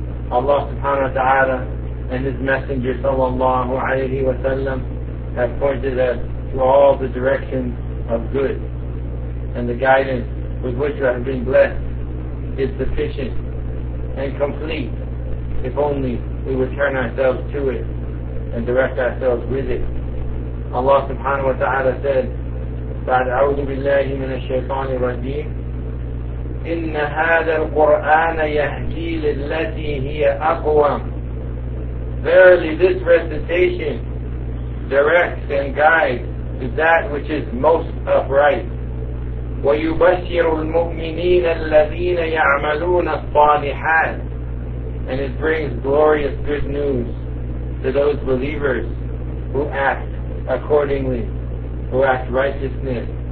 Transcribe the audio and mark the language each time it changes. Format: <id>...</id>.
<en>Allah subhanahu wa ta'ala and His Messenger sallallahu alayhi wa sallam have pointed us to all the directions of good. And the guidance with which we have been blessed is sufficient and complete if only we would turn ourselves to it and direct ourselves with it. Allah subhanahu wa ta'ala said,</en> <ar>بعد أعوذ بالله من الشيطان الرجيم إن هذا القرآن يهدي للتي هي أقوى.</ar> <en>Verily this recitation directs and guides to that which is most upright.</en> <ar>وَيُبَشِّرُ الْمُؤْمِنِينَ الَّذِينَ يَعْمَلُونَ الصَّالِحَاتِ.</ar> <en>And it brings glorious good news to those believers who act accordingly, who act righteousness.</en>